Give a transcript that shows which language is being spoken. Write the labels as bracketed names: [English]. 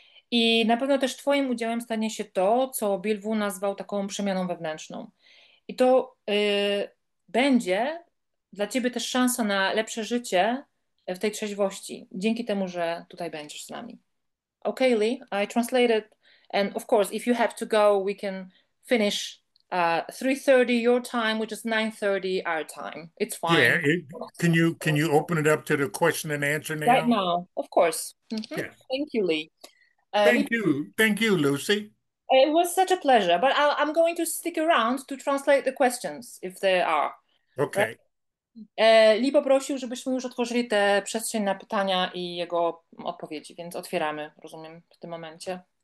[Polish] I na pewno też twoim udziałem stanie się to, co Bill Wu nazwał taką przemianą wewnętrzną. I to będzie dla ciebie też szansa na lepsze życie w tej trzeźwości, dzięki temu, że tutaj będziesz z nami. [English] Okay, Lee, I translated. And of course, if you have to go, we can finish. 3:30 your time, which is 9:30 our time. It's Yeah, fine. can you open it up to the question and answer Right now? now, of course. Yes. Thank you, Lee. Thank you. Thank you, Lucy. It was such a pleasure, but I'm going to stick around to translate the questions if there are. Okay. [Polish] Lee poprosił, żebyśmy już otworzyli tę przestrzeń na pytania i jego odpowiedzi, więc otwieramy, rozumiem, w tym momencie.